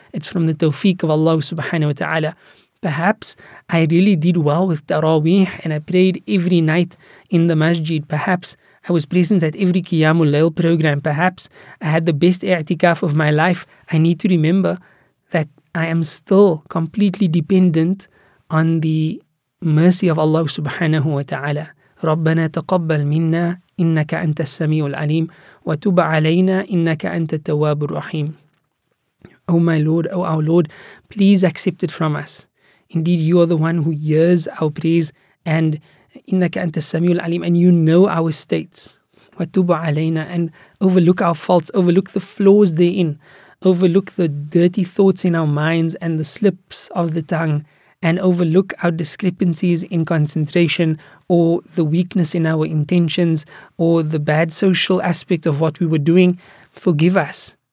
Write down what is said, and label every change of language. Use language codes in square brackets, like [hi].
[en] It's from the tawfiq of Allah subhanahu wa ta'ala. Perhaps I really did well with Taraweeh and I prayed every night in the masjid. Perhaps I was present at every Qiyamul Layl program. Perhaps I had the best i'tikaf of my life. I need to remember that I am still completely dependent on the mercy of Allah subhanahu wa ta'ala. [ar] ربنا تقبل منا إنك أنت السميع العليم وتب علينا إنك أنت التواب الرحيم. [en] O my Lord, O our Lord, please accept it from us. Indeed, you are the one who hears our prayers, and [ar] إنك أنت السميع العليم, [en] and you know our states. [ar] وتب علينا, [en] and overlook our faults, overlook the flaws therein, overlook the dirty thoughts in our minds and the slips of the tongue, and overlook our discrepancies in concentration, or the weakness in our intentions, or the bad social aspect of what we were doing. Forgive us.